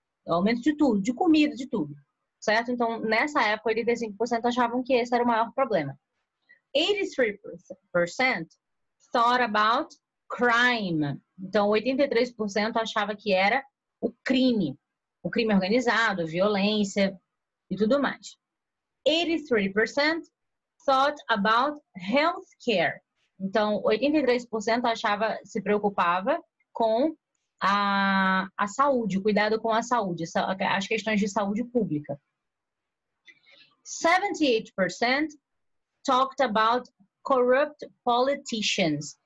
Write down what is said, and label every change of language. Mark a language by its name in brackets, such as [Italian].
[Portuguese] O aumento de tudo, de comida, de tudo. Certo? Então, nessa época, 85% achavam que esse era o maior problema. [English] 83% thought about crime. [Portuguese] Então, 83% achava que era o crime organizado, a violência e tudo mais. [English] 83% thought about healthcare. [Portuguese] Então, 83% achava, se preocupava com a saúde, o cuidado com a saúde, as questões de saúde pública. [English] 78% talked about corrupt politicians.